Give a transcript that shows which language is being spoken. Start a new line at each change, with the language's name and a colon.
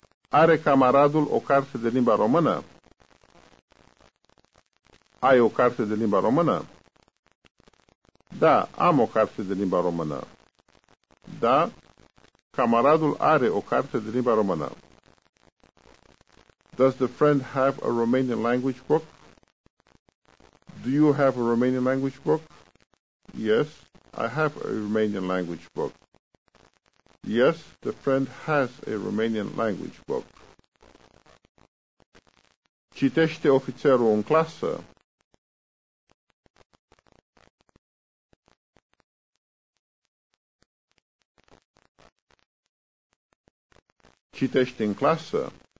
Romanian: Are camaradul o carte de limba română? Ai o carte de limba română? Da, am o carte de limba română. Da, camaradul are o carte de limba română.
English: Does the friend have a Romanian language book? Do you have a Romanian language book? Yes, I have a Romanian language book. Yes, the friend has a Romanian language book.
Romanian: Citește ofițerul în clasă? Citește în clasă?